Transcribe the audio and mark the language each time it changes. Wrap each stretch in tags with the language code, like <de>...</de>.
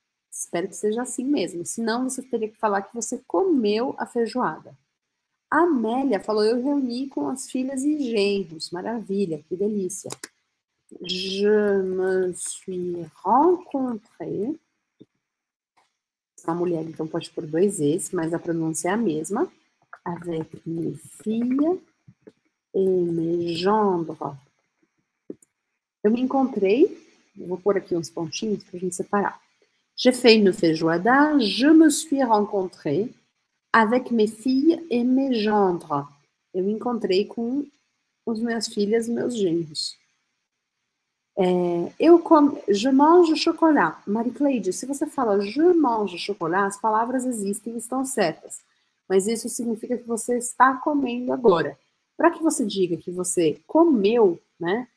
<pt>Espero que seja assim mesmo. Senão, você teria que falar que você comeu a feijoada. A Amélia falou, eu reuni com as filhas e genros. Maravilha, que delícia.</pt> <fr>Je me suis rencontrée.</fr> <pt>Uma mulher, então, pode pôr dois S, mas a pronúncia é a mesma.</pt> <fr>Avec mes filles et mes gendres.</fr> <pt>Eu me encontrei. Vou pôr aqui uns pontinhos para a gente separar.</pt> <fr>J'ai fait une feijoada. Je me suis rencontrée avec mes filles et mes gendres.</fr> <pt>Eu me encontrei com as minhas filhas e meus genros.</pt> <fr>Je mange chocolat.</fr> <pt>Maricleide, se você fala</pt> <fr>je mange chocolat,</fr> <pt>as palavras existem e estão certas. Mas isso significa que você está comendo agora. Para que você diga que você comeu, né?</pt>